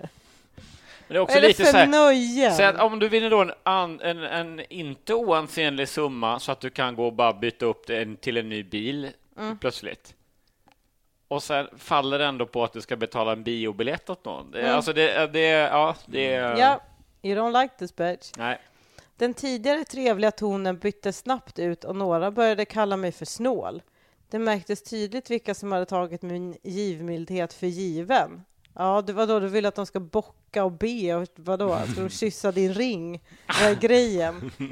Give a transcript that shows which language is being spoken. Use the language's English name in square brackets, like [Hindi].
[Swedish] Men det är också är lite det för så här, nöjen? Så att om du vinner då en inte oansenlig summa så att du kan gå och bara byta upp den till en ny bil plötsligt. Och sen faller det ändå på att du ska betala en biobiljett åt någon. Alltså det är... [English] Yeah, you don't like this bitch. [Swedish] Nej. Den tidigare trevliga tonen bytte snabbt ut och några började kalla mig för snål. Det märktes tydligt vilka som hade tagit min givmildhet för given. Ja, det var då du ville att de ska bocka och be. Vadå? Att de kyssa din ring. Vad är grejen?